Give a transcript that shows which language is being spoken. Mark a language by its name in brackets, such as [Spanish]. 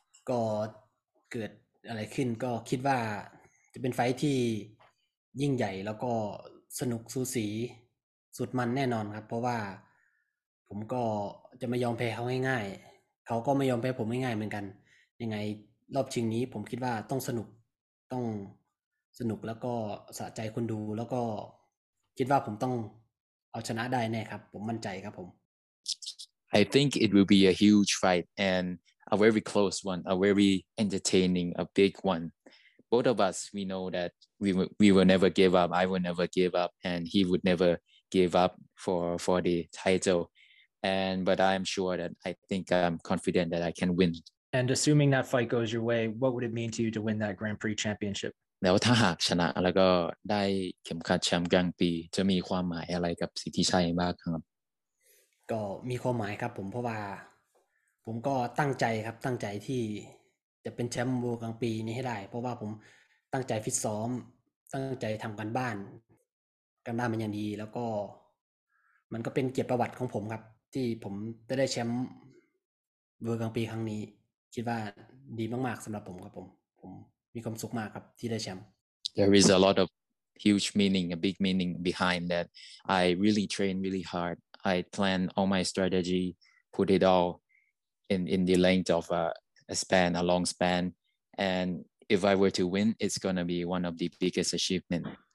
[Thai] ก็เกิดอะไรขึ้นก็คิดว่าจะเป็นไฟท์ที่ยิ่งใหญ่แล้วก็สนุกสูสีสุดมันแน่นอนครับเพราะว่าผมก็จะไม่ยอมแพ้เขาง่ายๆเขาก็ไม่ยอมแพ้ผมง่ายๆเหมือนกันยังไงรอบชิงนี้ผมคิดว่าต้องสนุกแล้วก็สะใจคนดูแล้วก็คิดว่าผมต้องเอาชนะได้แน่ครับผมมั่นใจครับผม [English] I think it will be a huge fight and a very close one, a very entertaining, a big one. Both of us, we know that we will never give up. I will never give up and he would never give up for the title. But I'm sure that I think I'm confident that I can win. And assuming that fight goes your way, what would it mean to you to win that Grand Prix championship? [Thai] แล้วถ้าหากชนะแล้วก็ได้เข็มขัดแชมป์กลางปีจะมีความหมายอะไรกับสิทธิชัยบ้างครับ ก็มีความหมายครับผมเพราะว่าผมก็ตั้งใจครับตั้งใจที่จะเป็นแชมป์โวกลางปีนี้ให้ได้เพราะว่าผมตั้งใจฟิตซ้อมตั้งใจทำการบ้านกันได้มันอย่างดีแล้วก็มันก็เป็นเกียรติประวัติของผมครับที่ผมจะได้แชมป์โวกลางปีครั้งนี้คิดว่าดีมากๆสำหรับผมครับผมมีความสุขมากครับที่ได้แชมป์ [English] There is a lot of huge meaning, a big meaning behind that. I really train really hard. I plan all my strategy, put it all in the length of a long span. And if I were to win, it's gonna be one of the biggest achievement.